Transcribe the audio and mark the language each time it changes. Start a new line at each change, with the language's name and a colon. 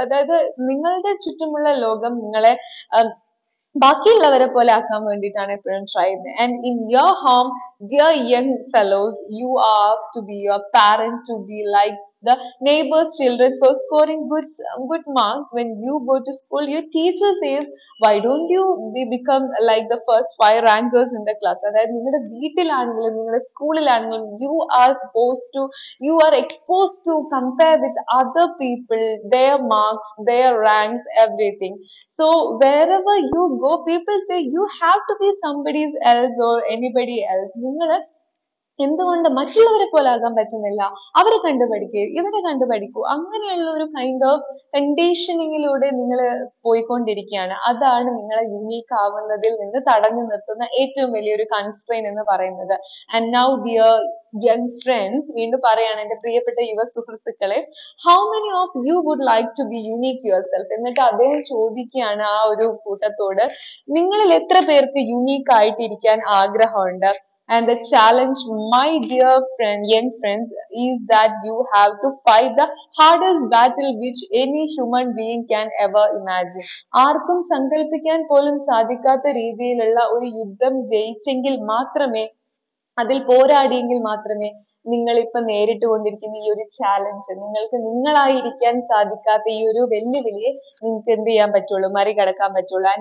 Malayalam: അതായത് നിങ്ങളുടെ ചുറ്റുമുള്ള ലോകം നിങ്ങളെ ബാക്കിയുള്ളവരെ പോലെ ആക്കാൻ വേണ്ടിയിട്ടാണ് എപ്പോഴും ട്രൈ ചെയ്യുന്നത്.
English: And in your home, dear young fellows, you as to be your parent, to be like the neighbors children for scoring good marks. When you go to school, your teacher says, why don't you become like the first 5 rankers in the class? That
Malayalam: ningalude veetil aanengil ningalude schoolil aanengil
English: you are exposed to compare with other people, their marks, their ranks, everything. So wherever you go, people say you have to be somebody else or anybody else.
Malayalam: Ningalude എന്തുകൊണ്ട് മറ്റുള്ളവരെ പോലെ ആകാൻ പറ്റുന്നില്ല, അവരെ കണ്ടുപഠിക്കൂ, ഇവരെ കണ്ടുപഠിക്കൂ, അങ്ങനെയുള്ള ഒരു kind of കണ്ടീഷനിങ്ങിലൂടെ നിങ്ങൾ പോയിക്കൊണ്ടിരിക്കുകയാണ്. അതാണ് നിങ്ങളെ യുണീക്ക് ആവുന്നതിൽ നിന്ന് തടഞ്ഞു നിർത്തുന്ന ഏറ്റവും വലിയൊരു കൺസ്ട്രെയിൻ എന്ന് പറയുന്നത്.
English: and now dear young friends,
Malayalam: വീണ്ടും പറയുകയാണ് എൻ്റെ പ്രിയപ്പെട്ട യുവ സുഹൃത്തുക്കളെ,
English: How many of you would like to be unique yourself?
Malayalam: എന്നിട്ട് അദ്ദേഹം ചോദിക്കുകയാണ് ആ ഒരു കൂട്ടത്തോട്, നിങ്ങളിൽ എത്ര പേർക്ക് യുണീക്ക് ആയിട്ടിരിക്കാൻ ആഗ്രഹമുണ്ട്?
English: And the challenge, my dear friend, young friends, is that you have to fight the hardest battle which any human being can ever imagine.
Malayalam: Aarkum sankalpikkan polum sadhikkatha reethiyilulla oru yuddham jeichengil maatrame, adil poraadiyengil maatrame നിങ്ങളിപ്പോ നേരിട്ട് കൊണ്ടിരിക്കുന്ന ഈ ഒരു challenge, നിങ്ങൾക്ക് നിങ്ങളായിരിക്കാൻ സാധിക്കാത്ത ഈ ഒരു വെല്ലുവിളിയെ നിങ്ങൾക്ക് എന്ത് ചെയ്യാൻ പറ്റുള്ളൂ, മറികടക്കാൻ പറ്റുള്ളൂ.